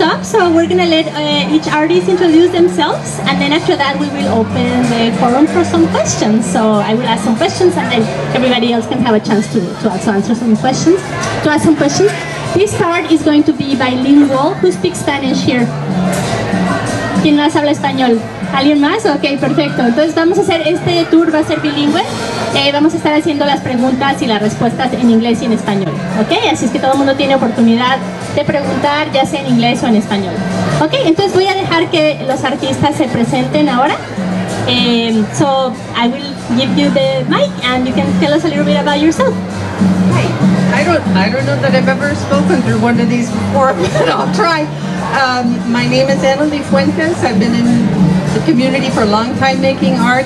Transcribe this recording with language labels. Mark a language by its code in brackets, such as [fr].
[en] Each artist introduce themselves, and then after that we will open the forum for some questions. So I will ask some questions, and then everybody else can have a chance to also answer some questions. To ask some questions, this part is going to be by Lynn Wall, who speaks Spanish here. [es] ¿Quién más habla español? ¿Alguien más? Okay, perfecto. Entonces vamos a hacer este tour, va a ser bilingüe. Vamos a estar haciendo las preguntas y las respuestas en inglés y en español. Okay, así es que todo el mundo tiene oportunidad de preguntar, ya sea en inglés o en español. Ok, entonces voy a dejar que los artistas se presenten ahora. [en] So I will give you the mic and you can tell us a little bit about yourself. Hi, I don't know that I've ever spoken through one of these before, but I'll try. My name is Annalie Fuentes. I've been in the community for a long time making art.